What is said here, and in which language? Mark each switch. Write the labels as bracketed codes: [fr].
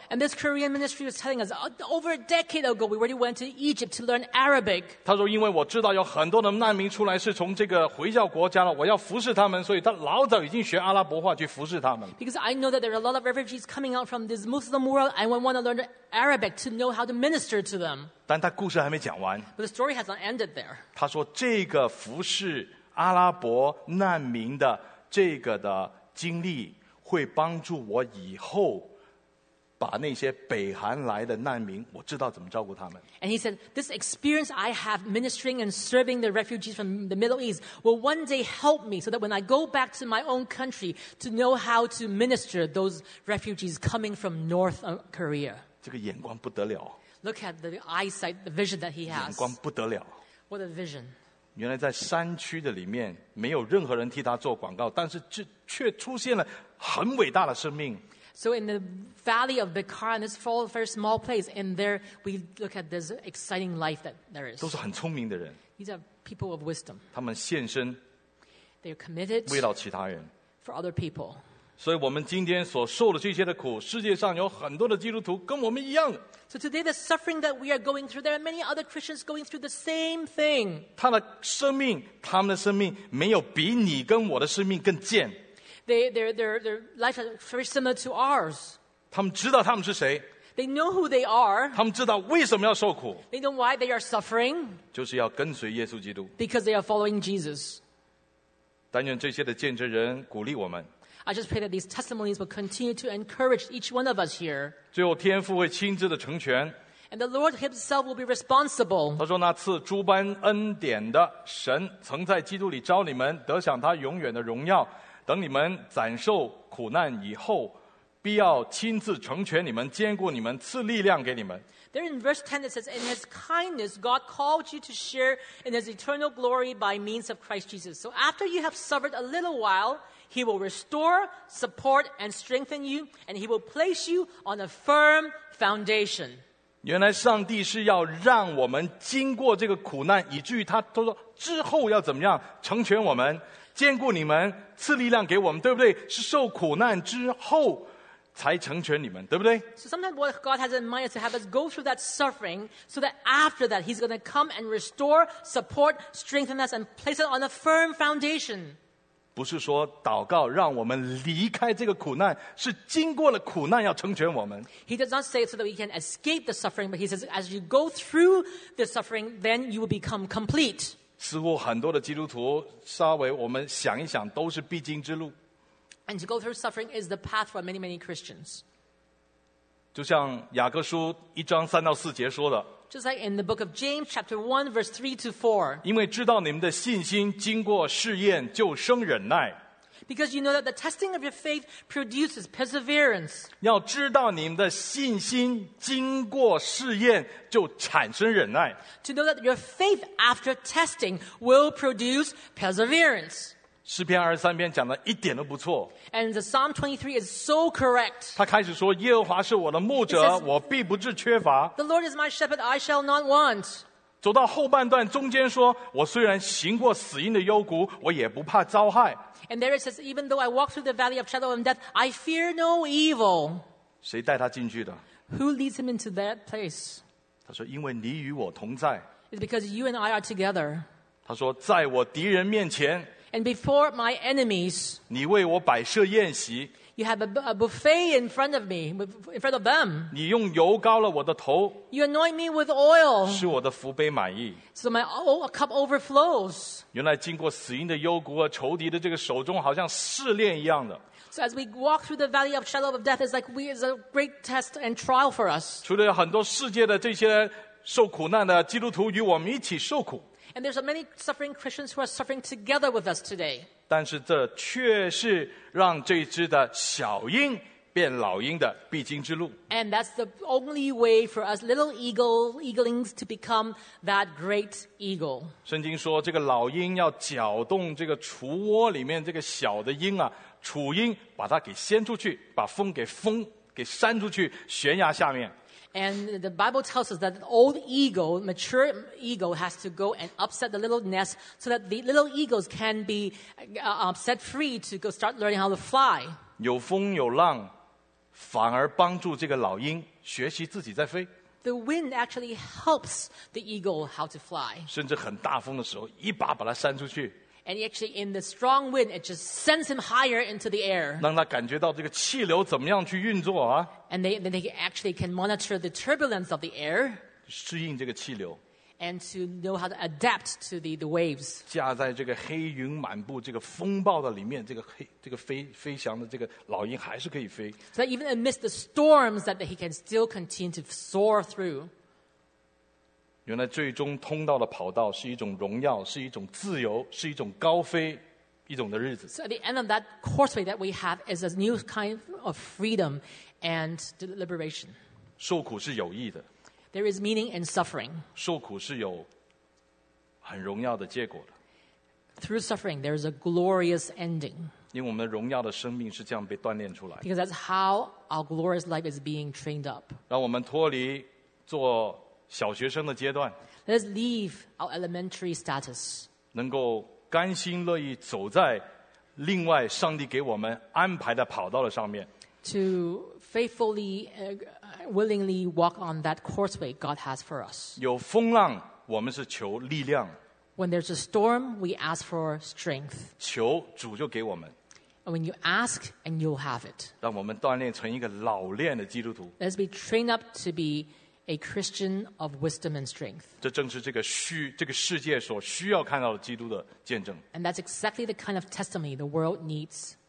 [en] And this Korean ministry was telling us, over a decade ago, we already went to Egypt to learn Arabic. [zh] 他说因为我知道有很多的难民出来是从这个回教国家了，我要服侍他们，所以他老早已经学阿拉伯话去服侍他们。 [en] Because I know that there are a lot of refugees coming out from this Muslim world, and we want to learn Arabic to know how to minister to them. [zh] 但他故事还没讲完。 [en] But the story has not ended there. [zh] 他说这个服侍阿拉伯难民的这个的经历会帮助我以后把那些北韩来的难民，我知道怎么照顾他们。 [en] And he said, this experience I have ministering and serving the refugees from the Middle East will one day help me so that when I go back to my own country to know how to minister those refugees coming from North Korea. [zh] 这个眼光不得了。 [en] Look at the eyesight, the vision that he has. [zh] 眼光不得了。 [en] What a vision. [zh] 原来在山区的里面没有任何人替他做广告，但是却出现了很伟大的生命。 [en] So in the valley of Bekaa, in this very small place, and there we look at this exciting life that there is. [zh] 都是很聪明的人。 [en] These are people of wisdom. [zh] 他们献身。 [en] They are committed. [zh] 为了其他人。 [en] For other people. [zh] 所以我们今天所受的这些的苦，世界上有很多的基督徒跟我们一样。 [en] So today the suffering that we are going through, there are many other Christians going through the same thing. [zh] 他的生命，他们的生命没有比你跟我的生命更贱。 [en] Their life is very similar to ours. [zh] 他们知道他们是谁。 [en] They know who they are. [zh] 他们知道为什么要受苦。 [en] They know why they are suffering. [zh] 就是要跟随耶稣基督。 [en] Because they are following Jesus. [zh] 但愿这些的见证人鼓励我们。 [en] I just pray that these testimonies will continue to encourage each one of us here. [zh] 最后天父会亲自的成全。 [en] And the Lord himself will be responsible. [zh] 他说那赐诸般恩典的神曾在基督里召你们得享他永远的荣耀。等你们攒受苦难以后，必要亲自成全你们，坚固你们，赐力量给你们。 [en] There in verse 10 it says, In his kindness, God called you to share in his eternal glory by means of Christ Jesus. So after you have suffered a little while, he will restore, support, and strengthen you, and he will place you on a firm foundation. [zh] 原来上帝是要让我们经过这个苦难，以至于他说之后要怎么样成全我们。坚固你们，赐力量给我们，对不对？是受苦难之后才成全你们，对不对？ [en] So sometimes what God has in mind is to have us go through that suffering so that after that he's going to come and restore, support, strengthen us and place us on a firm foundation. [zh] 不是说祷告让我们离开这个苦难，是经过了苦难要成全我们。 [en] He does not say so that we can escape the suffering, but he says as you go through the suffering, then you will become complete. [zh] 似乎很多的基督徒稍微我们想一想都是必经之路。 [en] And to go through suffering is the path for many, many Christians. [zh] 就像雅各书一章三到四节说的。 [en] Just like in the book of James, chapter 1, verse 3 to 4. [zh] 因为知道你们的信心经过试验就生忍耐。 [en] Because you know that the testing of your faith produces perseverance. [zh] 要知道你们的信心经过试验就产生忍耐。 [en] To know that your faith after testing will produce perseverance. [zh] 诗篇二十三篇讲的一点都不错。 [en] And the Psalm 23 is so correct. [zh] 他开始说耶和华是我的牧者 [en] says, [zh] 我必不致缺乏。 [en] The Lord is my shepherd, I shall not want. [zh] 走到后半段中间说我虽然行过死荫的幽谷我也不怕遭害。 [en] And there it says, even though I walk through the valley of shadow and death, I fear no evil. [zh] 谁带他进去的？ [en] Who leads him into that place? [zh] 他说因为你与我同在。 [en] It's because you and I are together. [zh] 他说在我敌人面前。 [en] And before my enemies. [zh] 你为我摆设宴席。 [en] You have a buffet in front of me, in front of them. [zh] 你用油膏了我的头。 [en] You anoint me with oil. [zh] 使我的福杯满溢。 [en] So my cup overflows. [zh] 原来经过死荫的幽谷和仇敌的这个手中，好像试炼一样的。 [en] So as we walk through the valley of shadow of death, it's a great test and trial for us. [zh] 除了有很多世界的这些受苦难的基督徒与我们一起受苦。 [en] And there's many suffering Christians who are suffering together with us today. [zh] 但是这却是让这只的小鹰变老鹰的必经之路。 [en] And that's the only way for us little eaglings to become that great eagle. [zh] 圣经说这个老鹰要搅动这个雏窝里面这个小的鹰啊，雏鹰把它给掀出去，把风给风给扇出去，悬崖下面。 [en] And the Bible tells us that the old eagle, mature eagle, has to go and upset the little nest so that the little eagles can be set free to go start learning how to fly. [zh] 有风有浪，反而帮助这个老鹰学习自己在飞。 [en] The wind actually helps the eagle how to fly. [zh] 甚至很大风的时候，一把把它扇出去。 [en] And actually in the strong wind, it just sends him higher into the air. [zh] 让他感觉到这个气流怎么样去运作啊。 [en] And they actually can monitor the turbulence of the air. [zh] 适应这个气流。 [en] And to know how to adapt to the waves. [zh] 驾在这个黑云满布这个风暴的里面，这个飞翔的这个老鹰还是可以飞。 [en] So that even amidst the storms that he can still continue to soar through. [zh] 原来最终通道的跑道是一种荣耀，是一种自由，是一种高飞，一种的日子。 [en] So at the end of that courseway that we have is a new kind of freedom and liberation. [zh] 受苦是有益的。 [en] There is meaning in suffering. [zh] 受苦是有很荣耀的结果的。 [en] Through suffering, there is a glorious ending. [zh] 因为我们的荣耀的生命是这样被锻炼出来。 [en] Because that's how our glorious life is being trained up. [zh] 让我们脱离做小学生的阶段。 [en] Let's leave our elementary status. [zh] 能够甘心乐意走在另外上帝给我们安排的跑道的上面。 [en] To faithfully, willingly walk on that courseway God has for us. [zh] 有风浪，我们是求力量。 [en] When there's a storm, we ask for strength. [zh] 求主就给我们。 [en] And when you ask, and you'll have it. [zh] 让我们锻炼成一个老练的基督徒。 [en] Let's be trained up to be a Christian of wisdom and strength. [zh] 这正是这个世界所需要看到的基督的见证。 [en] And that's exactly the kind of testimony the world needs.